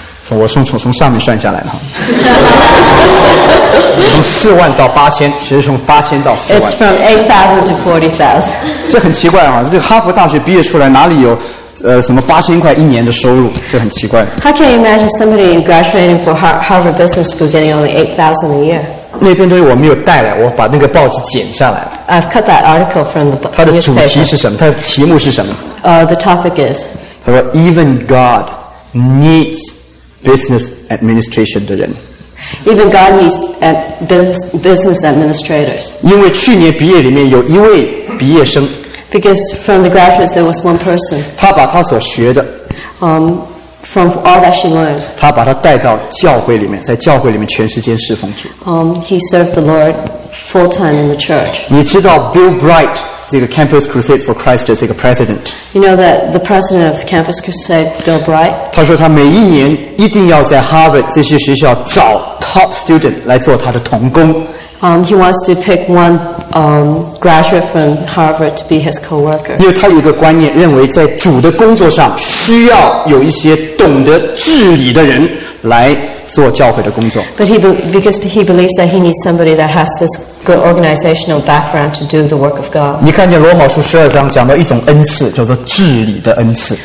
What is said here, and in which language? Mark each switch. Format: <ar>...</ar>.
<zh>我从上面算下来了，从四万到八千，其实从八千到四万。</zh> <en>It's from 8,000 to 40,000.</en> <zh>这很奇怪啊！这哈佛大学毕业出来哪里有什么八千块一年的收入？这很奇怪。</zh> <en>How can you imagine somebody graduating from Harvard Business School getting only 8,000 a year?</en> <zh>那篇东西我没有带来，我把那个报纸剪下来了。</zh> <en>I've cut that article from the newspaper.</en> <zh>它的主题是什么？它的题目是什么？</zh> <en>The topic is.</en> <zh>他说</zh> <en>，Even God needs. Business administration</en> <zh>的人</zh> <en>，Even God needs business administrators.</en> <zh>因为去年毕业里面有一位毕业生</zh> <en>，Because from the graduates there was one person.</en> <zh>他把他所学的</zh> <en>，from all that she learned.</en> <zh>他把他带到教会里面，在教会里面全时间侍奉主。</zh> <en>He served the Lord full time in the church.</en> <zh>你知道 Bill Bright 这个 Campus Crusade for Christ 的这个 president？</zh> <en>You know that the president of the Campus Crusade, Bill Bright?</en> <zh>他说他每一年一定要在 Harvard 这些学校找</zh> <en>top student</en> <zh>来做他的同工。</zh> <en>He wants to pick one graduate from Harvard to be his co-worker.</en> <zh>因为他有一个观念，认为在主的工作上需要有一些懂得治理的人来做教会的工作。</zh> <en>But because he believes that he needs somebody that has this good organizational background to do the work of God.</en> <zh>你看见罗马书十二章讲到一种恩赐，叫做治理的恩赐。</zh>